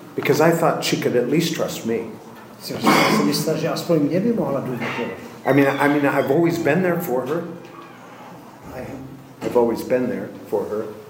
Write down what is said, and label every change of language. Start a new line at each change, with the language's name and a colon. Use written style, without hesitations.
English: Because I thought she could at least trust me.
Czech: Si myslel, že aspoň mě by mohla důvěřovat.
English: I mean, I've always been there for her. I've always been there for her.